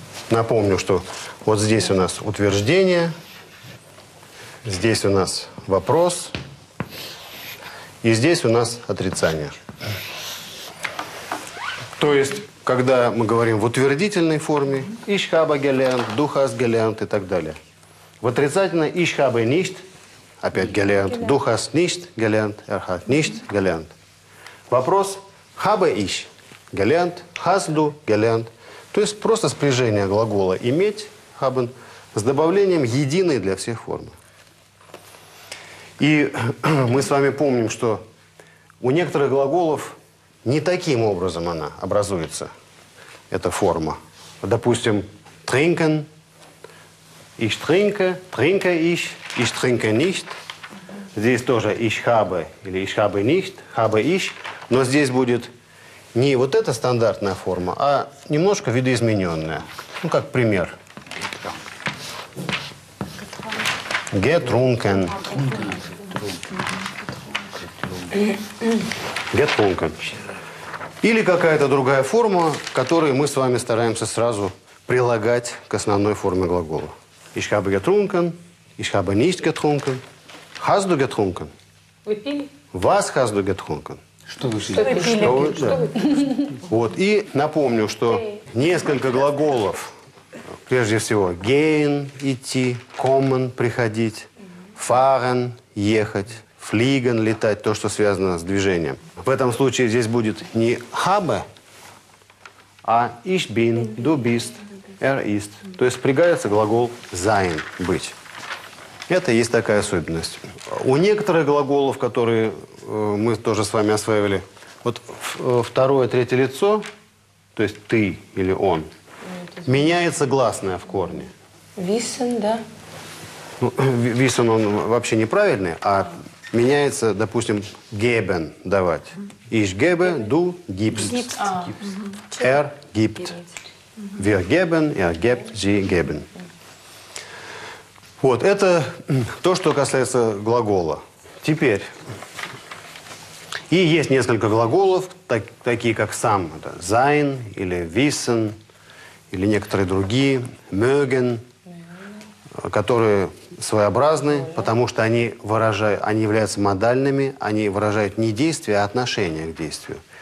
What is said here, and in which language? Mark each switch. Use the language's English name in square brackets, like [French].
[Russian] Напомню, что вот здесь у нас утверждение, здесь у нас вопрос, и здесь у нас отрицание. То есть, когда мы говорим в утвердительной форме [German] «Ich habe gelernt», «Du hast gelernt» [Russian] и так далее. В отрицательной [German] «Ich habe nicht», [Russian] опять «gelernt», [German] «Du hast nicht gelernt», «Er hat nicht gelernt». [Russian] Вопрос [German] «Habe ich gelernt», «Hast du gelernt». [Russian] То есть просто спряжение глагола «иметь» «haben» с добавлением единой для всех формы. И мы с вами помним, что у некоторых глаголов не таким образом она образуется, эта форма. Допустим, [German] trinken, ich trinke, trinke ich, ich trinke nicht. [Russian] Здесь тоже [German] ich habe или ich habe nicht, habe ich. [Russian] Но здесь будет не вот эта стандартная форма, а немножко видоизмененная. Ну, как пример. [German] Getrunken. Getrunken. [Russian] Или какая-то другая форма, которую мы с вами стараемся сразу прилагать к основной форме глагола. [German] Ich habe getrunken, ich habe nicht getrunken. Hast du getrunken? [Russian] Выпили? [German] Was hast du getrunken? [Russian] Что вы пили? Что вы пили? Вот, и напомню, что несколько глаголов, прежде всего, gehen, идти, kommen, приходить, fahren, ехать, fliegen, летать, то, что связано с движением. В этом случае здесь будет не habe, а [German] ich bin, du bist, er ist. [Russian] То есть впрягается глагол sein, быть. Это есть такая особенность. У некоторых глаголов, которые мы тоже с вами осваивали, вот второе, третье лицо, то есть ты или он, меняется гласное в корне. [German] Wissen, да. [Russian] Ну, wissen, он вообще неправильный, а меняется, допустим, geben, давать. [German] Ich gebe, du gibst. Er gibt. Wir geben, er gibt, sie geben. [Russian] Вот, это то, что касается глагола. Теперь, и есть несколько глаголов, такие как сам, это sein, или wissen, или некоторые другие, mögen, которые своеобразны, потому что они выражают, они являются модальными, они выражают не действие, а отношение к действию.